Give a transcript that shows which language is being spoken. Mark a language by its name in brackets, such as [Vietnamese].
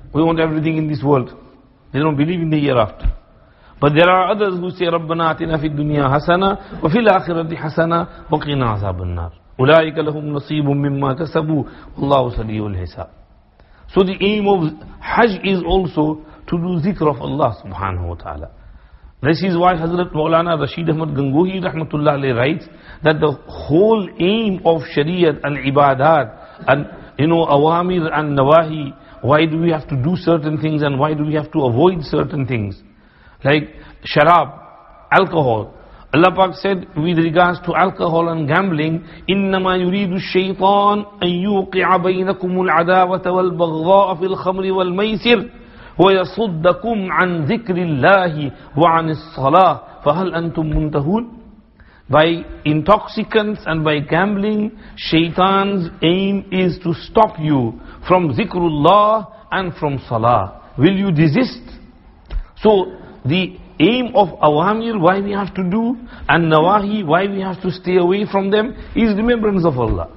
[English] We want everything in this world. They don't believe in the hereafter. But there are others who say, [Arabic] رَبَّنَا آتِنَا فِي الدُّنْيَا حَسَنَا وَفِي الْآخِرَةِ حَسَنَا وَقِنَا عَذَابَ النَّارِ. أُولَٰئِكَ لَهُمْ نَصِيبٌ مِّمَّا كَسَبُوا وَاللَّهُ سَرِيعُ الْحِسَابِ. [English] So the aim of Hajj is also to do zikr of Allah subhanahu wa ta'ala. This is why Hazrat Mawlana Rashid Ahmad Gangohi rahmatullah alayhi writes that the whole aim of Shariat and Ibadat and, you know, Awamir and Nawahi, why do we have to do certain things and why do we have to avoid certain things? Like Sharab, alcohol. Allah Pak said with regards to alcohol and gambling, [Arabic] إِنَّمَا يُرِيدُ الشَّيْطَانُ أَن يُوقِعَ بَيْنَكُمُ الْعَدَاوَةَ وَالْبَغْضَاءَ فِي الْخَمْرِ وَالْمَيْسِرِ وَيَصُدَّكُمْ عَنْ ذِكْرِ اللَّهِ وَعَنِ الصَّلَاةِ فَهَلْ أَنْتُمْ مُنْتَهُونَ. [English] By intoxicants and by gambling, Shaitan's aim is to stop you from zikrullah and from salah. Will you desist? So the aim of awamir, why we have to do, and nawahi, why we have to stay away from them, is remembrance of Allah.